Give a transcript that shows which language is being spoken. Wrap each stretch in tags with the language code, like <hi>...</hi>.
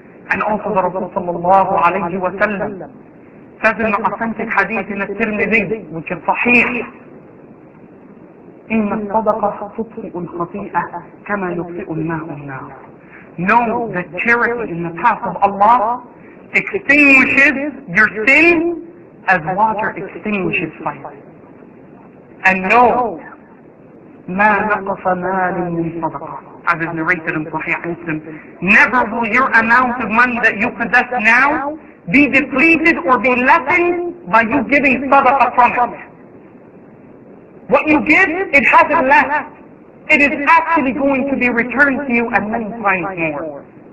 <en>And also the Rasul sallallahu alayhi wa sallam says in the authentic hadith in al-Tirmidhi, which is sahih,</en> <ar>إن الصدقة تطفئ الخطيئة كما يطفئ الماء النار.</ar> <en>Know that charity in the path of Allah extinguishes your sin as water extinguishes fire. And know</en> <ar>ما نقص مال من صدقة.</ar> <en>As is narrated in Sahih Muslim, never will your amount of money that you possess now be depleted or be lessened by you giving sadaqah from it. What you give, it hasn't left. it is actually going to be returned to you and many times more.</en>